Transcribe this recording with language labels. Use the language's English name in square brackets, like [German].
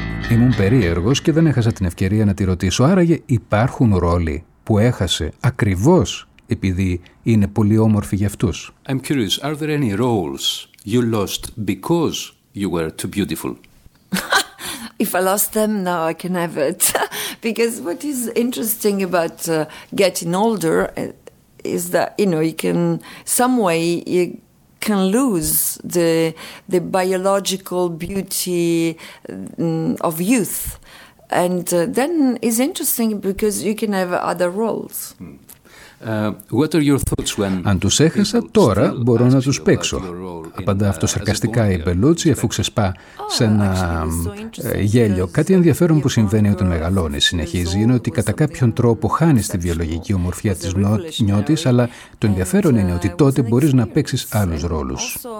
[Greek] Ήμουν περίεργος και δεν έχασα την ευκαιρία να τη ρωτήσω. Άραγε υπάρχουν ρόλοι που έχασε ακριβώς επειδή είναι πολύ όμορφοι για αυτούς. [English] I'm curious, are there any roles you lost because you were too beautiful? If I lost them, no, I can have it. Because what is interesting about getting older is that, you know, you can some way you can lose the biological beauty of youth, and then it's interesting because you can have other roles. What are your thoughts when? [Greek] Αν τους έχασα τώρα μπορώ να τους παίξω. Απαντά αυτοσαρκαστικά η Μπελούτσι, αφού ξεσπά σε ένα γέλιο. Κάτι ενδιαφέρον που συμβαίνει όταν μεγαλώνει, συνεχίζει, είναι ότι κατά κάποιον τρόπο χάνεις τη βιολογική ομορφιά της νιώτης, αλλά το ενδιαφέρον είναι ότι τότε μπορείς να παίξεις άλλους ρόλους.